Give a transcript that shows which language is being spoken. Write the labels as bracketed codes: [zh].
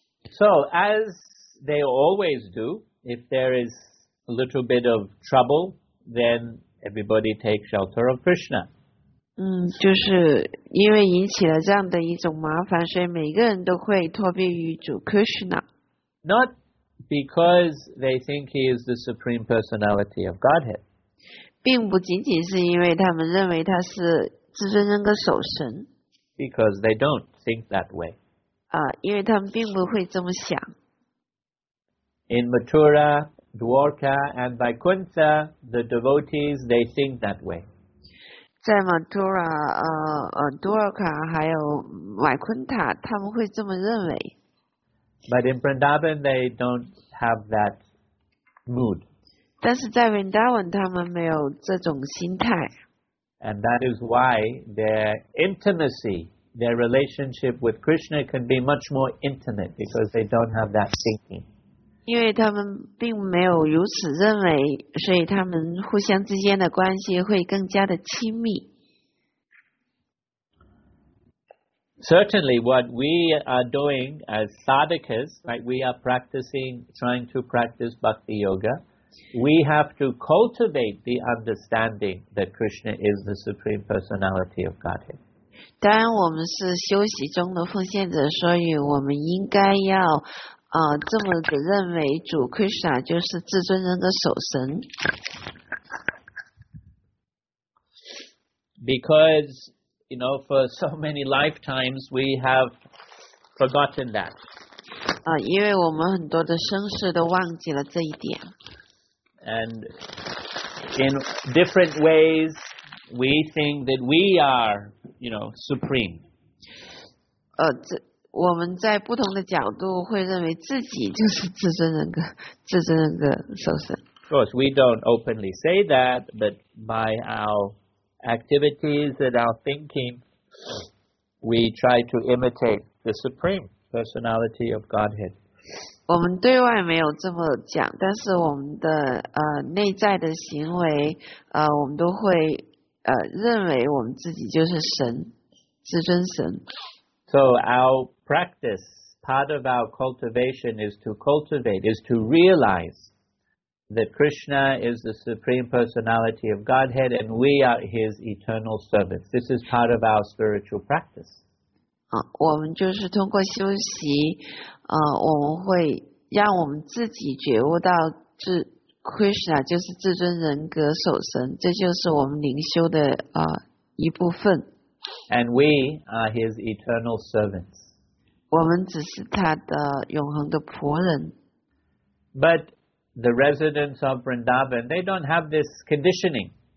[en] So as they always do, if there is a little bit of trouble, then everybody takes shelter of Krishna. [zh] 就是因为引起了这样的一种麻烦，所以每个人都会托庇于主 Krishna. [en] Not because they think he is the supreme personality of Godhead. [zh] 并不仅仅是因为他们认为他是至尊人格守神。 [en] Because they don't think that way. [zh] 因为他们并不会这么想。 [en] In Mathura, Dwarka, and Vaikuntha, the devotees, they think that way. [zh] 在 Mathura, Dwarka, 还有 Vaikuntha, 他们会这么认为。 [en] But in Vrindavan, they don't have that mood. [zh] 但是在 Vrindavan, 他们没有这种心态。 [en] And that is why their intimacy, their relationship with Krishna can be much more intimate, because they don't have that thinking. [zh] 因为他们并没有如此认为，所以他们互相之间的关系会更加的亲密。 [en] Certainly, what we are doing as sadhakas, right, we are practicing, trying to practice bhakti yoga. We have to cultivate the understanding that Krishna is the supreme personality of Godhead. [zh] 当然我们是修习中的奉献者，所以我们应该要这么的认为主 Krishna 就是至尊人格守神。 [en] Because, you know, for so many lifetimes, we have forgotten that. [zh] 因为我们很多的生世都忘记了这一点。 [en] And in different ways, we think that we are, you know, supreme. [zh] 我们在不同的角度会认为自己就是至尊人格，至尊人格受身。 [en] Of course, we don't openly say that, but by our activities and our thinking, we try to imitate the supreme personality of Godhead. [zh] 我们对外没有这么讲，但是我们的内在的行为，我们都会认为我们自己就是神，至尊神。 [en] So our practice, part of our cultivation is to cultivate, is to realize that Krishna is the supreme personality of Godhead and we are his eternal servants. This is part of our spiritual practice. [zh] 我们就是通过修习，我们会让我们自己觉悟到至Krishna 就是至尊人格守神，这就是我们灵修的一部分。 [en] And we are his eternal servants. [zh] 我们只是他的永恒的仆人。 [en] But the residents of Vrindavan, they don't have this conditioning.